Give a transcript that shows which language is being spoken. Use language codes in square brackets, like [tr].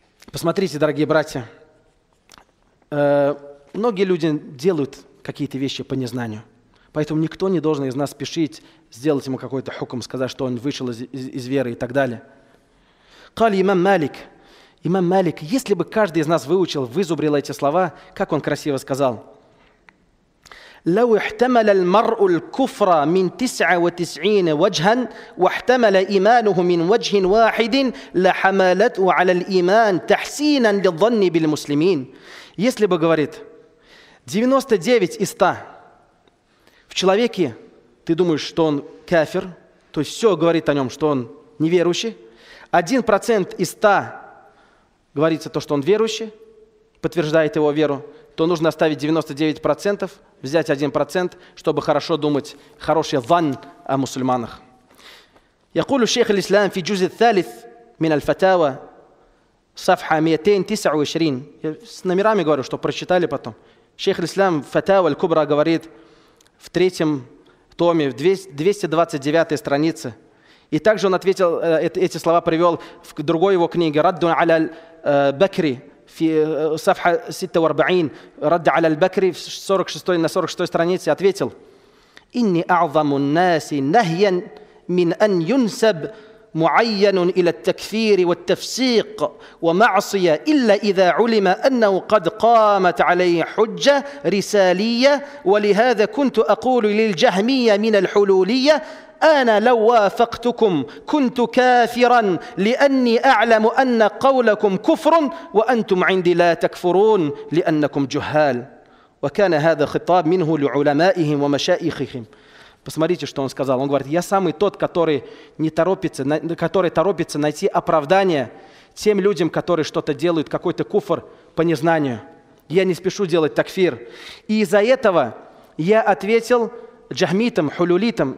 [ru] Посмотрите, дорогие братья, многие люди делают какие-то вещи по незнанию. Поэтому никто не должен из нас спешить сделать ему какой-то хукм, сказать, что он вышел из веры и так далее. [ar] قال إمام مالك إمام مالك [ru] если бы каждый из нас выучил вызубрил эти слова как он красиво сказал [ar] لو احتمل المرء الكفر من 99 وجها واحتمل إيمانه من وجه واحد لحملته على الإيمان تحسينا للظن بالمسلمين [ru] если бы говорит 99 из 100 в человеке ты думаешь что он кафир то есть все говорит о нем что он неверующий 1% из 100 говорится то что он верующий подтверждает его веру то нужно оставить 99%, взять 1%, чтобы хорошо думать, хороший ван о мусульманах. [ar] يقول الشيخ الإسلام في الجزء الثالث من الفتاوى صفحة 229 [ru] я с номерами говорю, что прочитали потом. Шейх Ислам Фатава Аль-Кубра говорит в третьем томе, в 229 странице. И также он ответил, эти слова привел в другой его книге, «Радду аля Бакри». [ar] في صفحة 46 رد على البكري في 46 [ru] на 46 странице ответил [ar] إني أعظم الناس نهيا من أن ينسب معين إلى التكفير والتفسيق ومعصية إلا إذا علم أنه قد قامت عليه حجة رسالية ولهذا كنت أقول للجهمية من الحلولية أنا لو وافقتكم كنت كافرا لأني أعلم أن قولكم كفر وأنتم عندي لا تكفرون لأنكم جهال وكان هذا خطاب منه لعلمائهم ومشايخهم [ru] Посмотрите, что он сказал. Он говорит, я самый тот, который не торопится, который торопится найти оправдание тем людям, которые что-то делают, какой-то куфр по незнанию. Я не спешу делать такфир. И из-за этого я ответил джахмитам, хулюлитам.